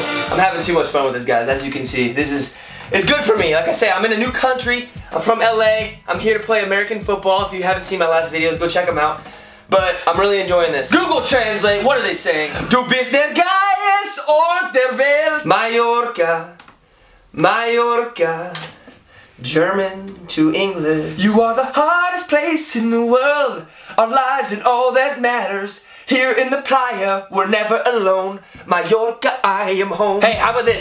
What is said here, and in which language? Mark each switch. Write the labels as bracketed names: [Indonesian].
[English] I'm having too much fun with this, guys. As you can see, this is, it's good for me. Like I say, I'm in a new country. I'm from LA. I'm here to play American football. If you haven't seen my last videos, go check them out. But I'm really enjoying this. Google Translate, what are they saying? [German] Du bist der Geist auf der Welt. [English] Mallorca, Mallorca, German to English. You are the hottest place in the world. Our lives and all that matters. Here in the playa, we're never alone. Mallorca, I am home. Hey, how about this?